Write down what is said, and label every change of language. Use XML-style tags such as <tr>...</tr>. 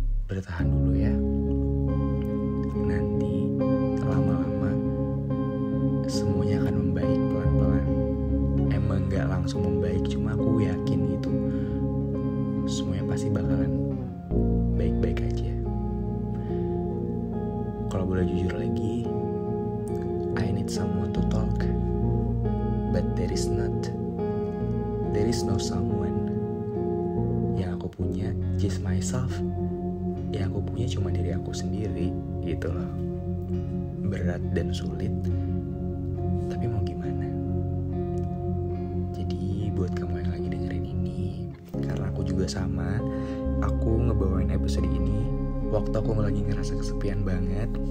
<id>Bertahan dulu ya. Nanti lama-lama semuanya akan membaik pelan-pelan. Emang gak langsung membaik, cuma aku yakin gitu. Semuanya pasti bakalan baik-baik aja. Kalau boleh jujur lagi,</id> <en>I need someone to talk, but there is no someone.</en> <id>Yang aku punya</id> <en>just myself.</en> <id>Yang aku punya cuma diri aku sendiri gitu loh. Berat dan sulit, tapi mau gimana. Jadi buat kamu yang lagi dengerin ini, karena aku juga sama, aku ngebawain episode ini waktu aku lagi ngerasa kesepian banget.</id>